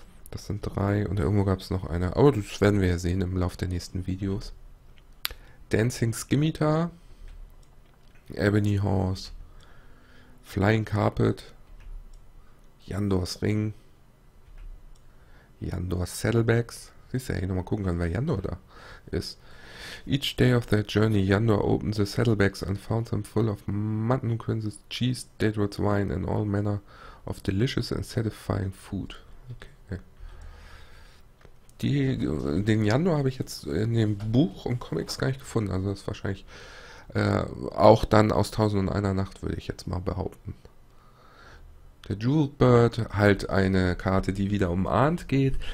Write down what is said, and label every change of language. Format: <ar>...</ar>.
<de>Das sind drei und irgendwo gab es noch eine. Aber das werden wir ja sehen im Laufe der nächsten Videos.</de> <en>Dancing Scimitar, Ebony Horse, Flying Carpet, Yandors Ring, Yandors Saddlebags.</en> <de>Siehst du ja hier nochmal gucken können, wer Yandor da ist.</de> <en>Each day of their journey, Yandor opened the saddlebags and found them full of mutton, quinces, cheese, Daedric's wine and all manner of delicious and satisfying food.</en> <de>Okay. Den Yandor habe ich jetzt in dem Buch und Comics gar nicht gefunden. Also das ist wahrscheinlich auch dann aus Tausend und einer Nacht, würde ich jetzt mal behaupten. Der Jewel Bird, halt eine Karte, die wieder um Arndt geht.</de>